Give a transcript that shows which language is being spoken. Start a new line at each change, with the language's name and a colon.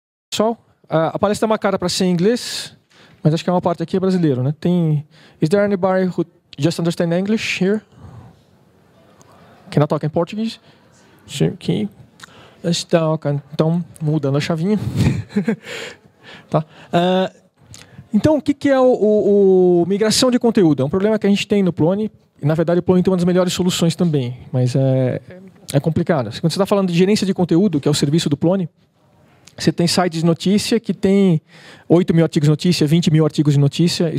Portuguese: Pessoal, a palestra é uma cara para ser em inglês, mas acho que é uma parte aqui é brasileiro, né? Tem.
English: Is there anybody who just understand English here? Can I talk in Portuguese?
Portuguese: Sim, aqui. Então, mudando a chavinha. Tá. Então, o que é o migração de conteúdo? É um problema que a gente tem no Plone. E, na verdade, o Plone tem uma das melhores soluções também, mas é complicado. Quando você está falando de gerência de conteúdo, que é o serviço do Plone, você tem sites de notícia que tem 8 mil artigos de notícia, 20 mil artigos de notícia.